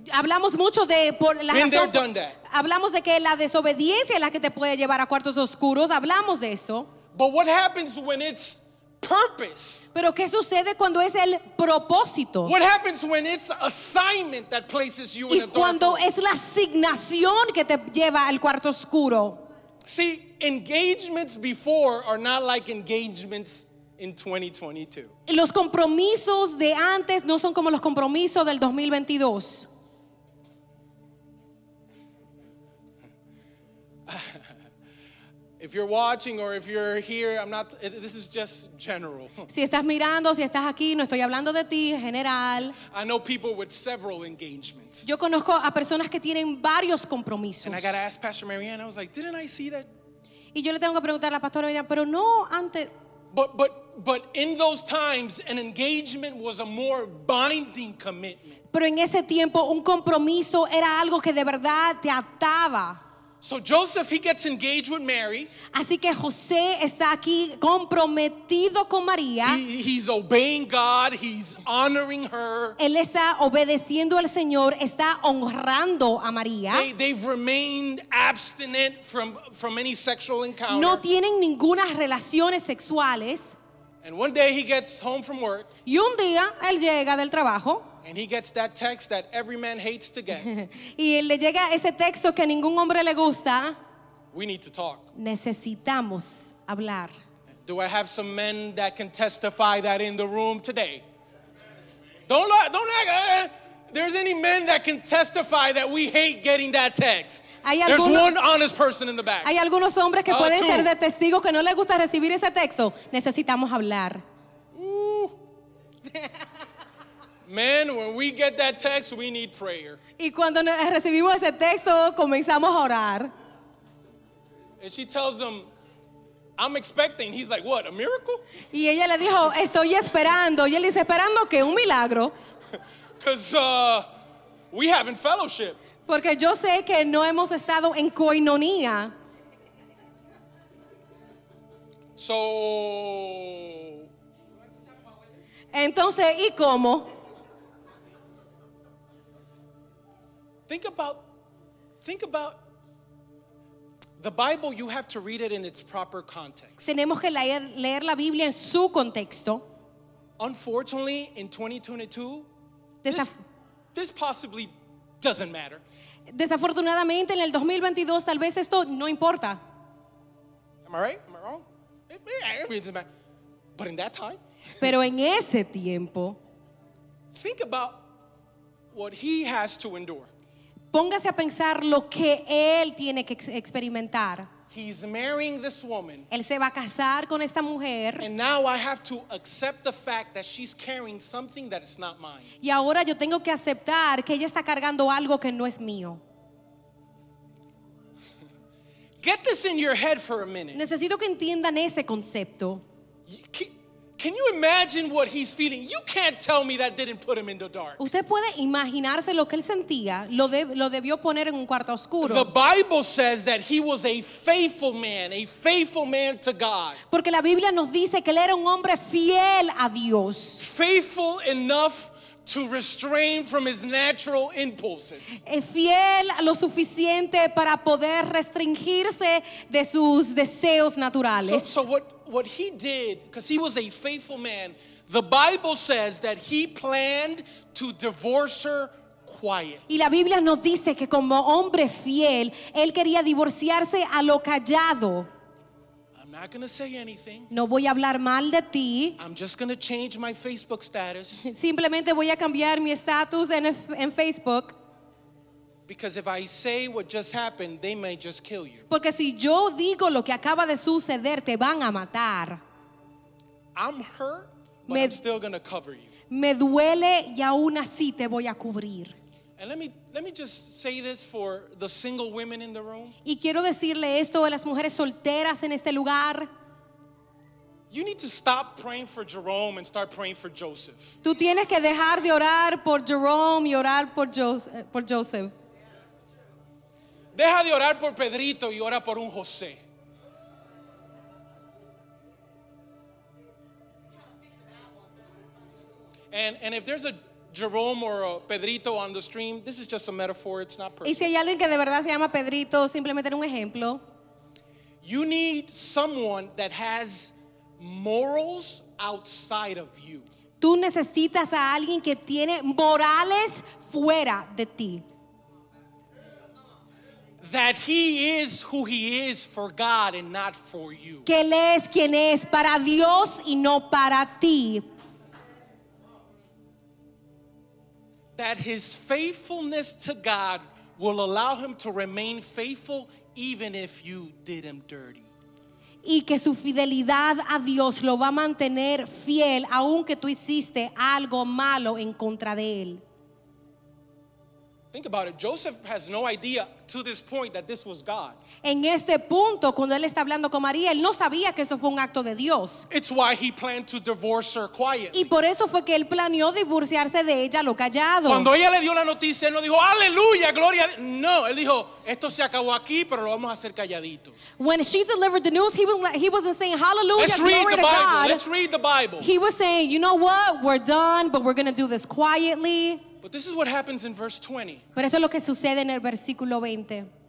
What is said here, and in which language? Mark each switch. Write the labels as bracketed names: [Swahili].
[Spanish] Hablamos mucho de por la razón. [English] And they've done that. [Spanish] Hablamos de que la desobediencia es la que te puede llevar a cuartos oscuros. Hablamos de eso. [English] But what happens when it's purpose? [Spanish] Pero qué sucede cuando es el propósito? [English] What happens when it's assignment that places you [Spanish] y [English] in a dark? [Spanish] Y cuando es la asignación que te lleva al cuarto oscuro. [English] See, engagements before are not like engagements in 2022. [Spanish] Los compromisos de antes no son como los compromisos del 2022. [English] If you're watching or if you're here, I'm not, this is just general. [Spanish] Si estás mirando, si estás aquí, no estoy hablando de ti, general. [English] I know people with several engagements. [Spanish] Yo conozco a personas que tienen varios compromisos. [English] And I got to ask Pastor Marianne, I was like, didn't I see that? [Spanish] Y yo le tengo que preguntar a la pastora Miriam, pero no antes. [English] But in those times, an engagement was a more binding commitment. [Spanish] Pero en ese tiempo, un compromiso era algo que de verdad te ataba. [English] So Joseph, he gets engaged with Mary. [Spanish] Así que José está aquí comprometido con María. [English] He's obeying God. He's honoring her. [Spanish] Él está obedeciendo al Señor. Está honrando a María. [English] They've remained abstinent from any sexual encounter. [Spanish] No tienen ninguna relaciones sexuales. [English] And one day he gets home from work. [Spanish] Y un día él llega del trabajo. [English] And he gets that text that every man hates to get. [Spanish] Y le llega ese texto que ningún hombre le gusta. [English] We need to talk. [Spanish] Necesitamos hablar. [English] Do I have some men that can testify that in the room today? Don't act. There's any men that can testify that we hate getting that text. There's one honest person in the back. [Spanish] Hay algunos hombres que pueden ser de testigo que no le gusta recibir ese texto. Necesitamos hablar. [English] Men, when we get that text, we need prayer. [Spanish] Y cuando recibimos ese texto, comenzamos a orar. [English] And she tells him, I'm expecting. He's like, what, a miracle? [Spanish] Y ella le dijo, estoy esperando. Y él dice, ¿esperando qué? Un milagro. [English] Because we haven't fellowshiped. [Spanish] Porque yo sé que no hemos estado en koinonía. [English] So. [Spanish] Entonces, ¿y cómo? [English] Think about the Bible. You have to read it in its proper context. [Spanish] Tenemos que leer la Biblia en su contexto. [English] Unfortunately, in 2022, this possibly doesn't matter. [Spanish] Desafortunadamente, en el 2022, tal vez esto no importa. [English] Am I right? Am I wrong? It doesn't matter. But in that time. [Spanish] Pero en ese tiempo. [English] Think about what he has to endure. [Spanish] Póngase a pensar lo que él tiene que experimentar. [English] He's marrying this woman. [Spanish] Él se va a casar con esta mujer. [English] And now I have to accept the fact that she's carrying something that is not mine. [Spanish] Y ahora yo tengo que aceptar que ella está cargando algo que no es mío. [English] Get this in your head for a minute. [Spanish] Necesito que entiendan ese concepto. [English] Can you imagine what he's feeling? You can't tell me that didn't put him in the dark. [Spanish] Usted puede imaginarse lo que él sentía. Lo debió poner en un cuarto oscuro. [English] The Bible says that he was a faithful man to God. [Spanish] Porque la Biblia nos dice que él era un hombre fiel a Dios. [English] Faithful enough to restrain from his natural impulses. [Spanish] Fiel lo suficiente para poder restringirse de sus deseos naturales. [English] So what he did, because he was a faithful man, the Bible says that he planned to divorce her quiet. [Spanish] Y la Biblia nos dice que como hombre fiel, él quería divorciarse a lo callado. [English] I'm not going to say anything. [Spanish] No voy a hablar mal de ti. [English] I'm just going to change my Facebook status. [Spanish] Simplemente voy a cambiar mi estatus en Facebook. [English] Because if I say what just happened, they may just kill you. [Spanish] Porque si yo digo lo que acaba de suceder, te van a matar. [English] I'm hurt, but I'm still going to cover you. [Spanish] Me duele y aún así te voy a cubrir. [English] And let me just say this for the single women in the room. [Spanish] Y quiero decirle esto a las mujeres solteras en este lugar. [English] You need to stop praying for Jerome and start praying for Joseph. [Spanish] Tú tienes que dejar de orar por Jerome y orar por Joseph. Deja de orar por Pedrito y ora por un José. [English] And if there's a Jerome or a Pedrito on the stream, this is just a metaphor, it's not perfect. [Spanish] Y si hay alguien que de verdad se llama Pedrito, simplemente un ejemplo. [English] You need someone that has morals outside of you. [Spanish] Tú necesitas a alguien que tiene morales fuera de ti. [English] That he is who he is for God and not for you. [Spanish] Que él es quien es para Dios y no para ti. [English] That his faithfulness to God will allow him to remain faithful even if you did him dirty. [Spanish] Y que su fidelidad a Dios lo va a mantener fiel aunque tú hiciste algo malo en contra de él. [English] Think about it. Joseph has no idea to this point that this was God. [Spanish] En este punto, cuando él está hablando con María, él no sabía que esto fue un acto de Dios. [English] It's why he planned to divorce her quietly. [Spanish] Y por eso fue que él planeó divorciarse de ella lo callado. Cuando ella le dio la noticia, él no dijo, aleluya, gloria. No, él dijo, esto se acabó aquí, pero lo vamos a hacer calladito. [English] When she delivered the news, he wasn't saying, hallelujah, let's read glory the Bible. God. Let's read the Bible. He was saying, you know what, we're done, but we're going to do this quietly. But this is what happens in verse 20. [Spanish] Pero esto es lo que sucede en el versículo 20.